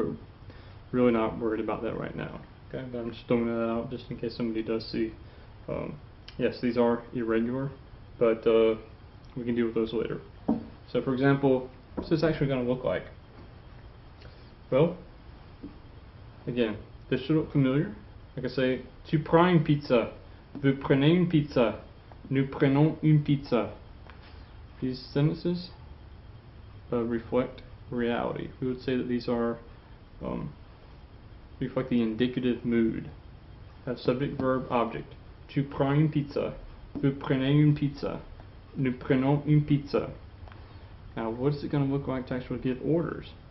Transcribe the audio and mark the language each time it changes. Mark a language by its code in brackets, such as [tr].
[en] But really not worried about that right now. Okay, but I'm just throwing that out just in case somebody does see. Yes, these are irregular, but we can deal with those later. So, for example, what's this actually going to look like? Well, again, this should look familiar. Like I say, [fr] tu prends une pizza, vous prenez une pizza, nous prenons une pizza. [en] These sentences reflect reality. We would say that these are reflect the indicative mood. That's subject, verb, object. [fr] Tu prends une pizza. Vous prenez une pizza. Nous prenons une pizza. [en] Now, what is it going to look like to actually give orders?